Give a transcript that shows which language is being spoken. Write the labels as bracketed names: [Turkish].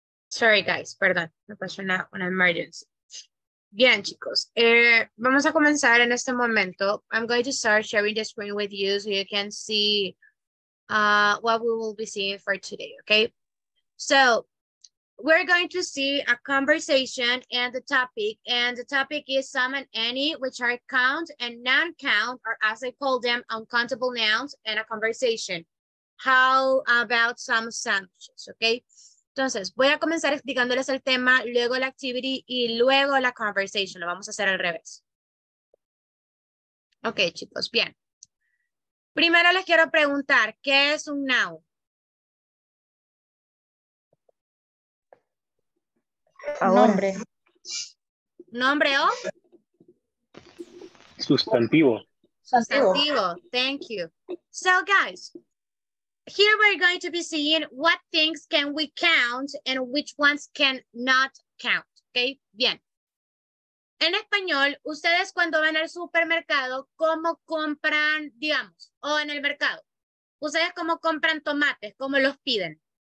[English] Sorry, guys, [Spanish] perdón, me pasó una emergency. Bien, chicos, vamos a comenzar en este momento. [English] I'm going to start sharing the screen with you so you can see what we will be seeing for today, okay? So, we're going to see a conversation and the topic. And the topic is some and any, which are count and non-count, or as I call them, uncountable nouns and a conversation. How about some sandwiches, okay? [Spanish] Entonces, voy a comenzar explicándoles el tema, luego la activity y luego la conversation. Lo vamos a hacer al revés. Ok, chicos, bien. Primero les quiero preguntar, ¿qué es un noun? A Nombre. hombre. ¿Nombre o? Sustantivo. Sustantivo. [English] Thank you. So, guys. Here we're going to be seeing what things can we count and which ones can not count. [Spanish] Okay, bien. En español, ustedes cuando van al supermercado, ¿cómo compran, digamos, o en el mercado? ¿Ustedes cómo compran tomates? ¿Cómo los piden?